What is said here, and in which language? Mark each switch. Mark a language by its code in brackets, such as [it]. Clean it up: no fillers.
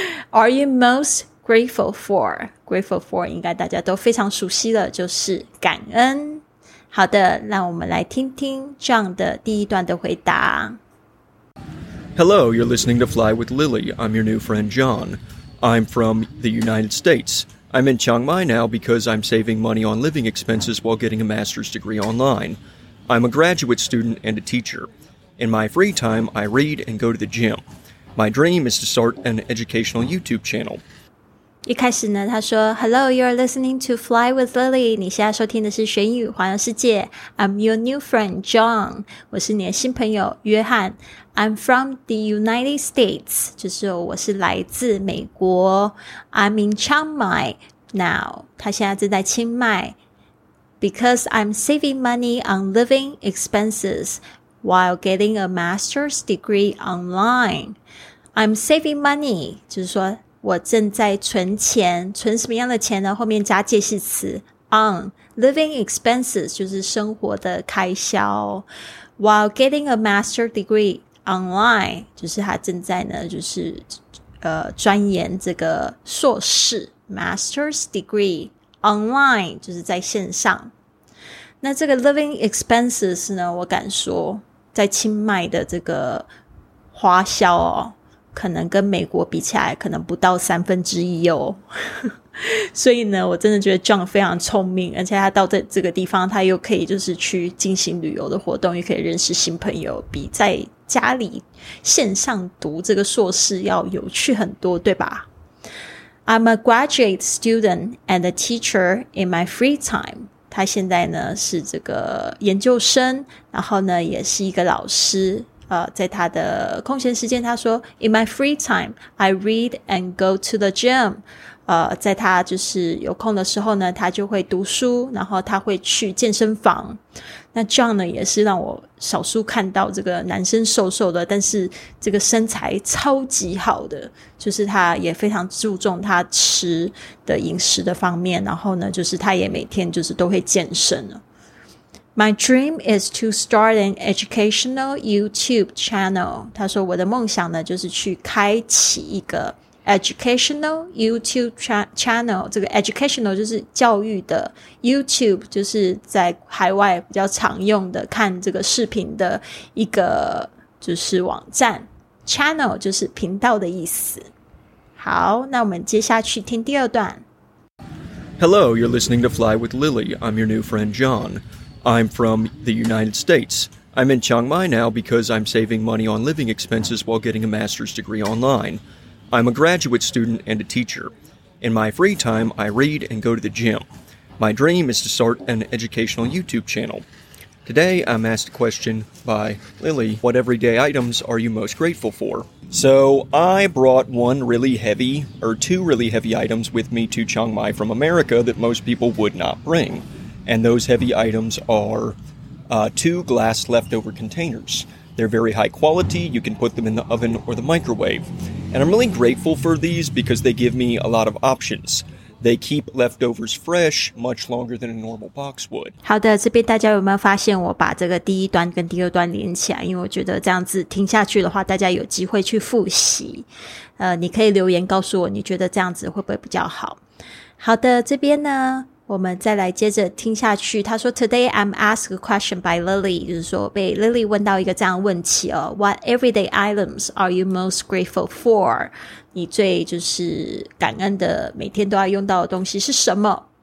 [en] Are you most grateful for? [zh] Grateful for 应该大家都非常熟悉了，就是感恩。好的，让我们来听听 John 的第一段的回答。 [en] Hello, you're listening to Fly with Lily. I'm your new friend John. I'm from the United States. I'm in Chiang Mai now because I'm saving money on living expenses while getting a master's degree online. I'm a graduate student and a teacher. In my free time, I read and go to the gym. My dream is to start an educational YouTube channel. [zh] 一开始呢，他说 [en] Hello, you're listening to Fly with Lily. [zh] 你现在收听的是学英语环游世界。 [en] I'm your new friend, John. [zh] 我是你的新朋友约翰。 [en] I'm from the United States, [zh] 就是我是来自美国。 [en] I'm in Chiang Mai now, [zh] 他现在正在清迈。 [en] Because I'm saving money on living expenses while getting a master's degree online. I'm saving money, [zh] 就是说我正在存钱，存什么样的钱呢？后面加介系词 on, living expenses, 就是生活的开销。 [en] While getting a master's degree online, [zh] 就是他正在呢，就是钻研这个硕士 ,master's degree online, 就是在线上。那这个 living expenses 呢，我敢说在清迈的这个花销哦，可能跟美国比起来可能不到三分之一哦。所以呢，我真的觉得 John 非常聪明，而且他到这个地方他又可以就是去进行旅游的活动，又可以认识新朋友，比在家里线上读这个硕士要有趣很多，对吧？ [en] I'm a graduate student and a teacher in my free time. [zh] 他现在呢是这个研究生，然后呢也是一个老师。在他的空闲时间，他说 [en] In my free time, I read and go to the gym. [zh] 在他就是有空的时候呢，他就会读书，然后他会去健身房。那 John 呢，也是让我少数看到这个男生瘦瘦的，但是这个身材超级好的，就是他也非常注重他吃的饮食的方面，然后呢，就是他也每天就是都会健身了。 [en] My dream is to start an educational YouTube channel. [zh] 他说我的梦想呢就是去开启一个 educational YouTube channel. 这个 educational 就是教育的， YouTube 就是在海外比较常用的看这个视频的一个就是网站， channel 就是频道的意思。好，那我们接下去听第二段。 [en] Hello, you're listening to Fly with Lily. I'm your new friend John. I'm from the United States. I'm in Chiang Mai now because I'm saving money on living expenses while getting a master's degree online. I'm a graduate student and a teacher. In my free time, I read and go to the gym. My dream is to start an educational YouTube channel. Today, I'm asked a question by Lily. What everyday items are you most grateful for? So, I brought two really heavy items with me to Chiang Mai from America that most people would not bring. And those heavy items are two glass leftover containers. They're very high quality. You can put them in the oven or the microwave. And I'm really grateful for these because they give me a lot of options. They keep leftovers fresh much longer than a normal box would. [zh] 好的，这边大家有没有发现我把这个第一段跟第二段连起来，因为我觉得这样子听下去的话，大家有机会去复习。你可以留言告诉我你觉得这样子会不会比较好。好的，这边呢我们再来接着听下去。他说 [en] Today I'm asked a question by Lily, [zh] 就是说被 Lily 问到一个这样的问题哦。 [en] What everyday items are you most grateful for? [zh] 你最就是感恩的每天都要用到的东西是什么？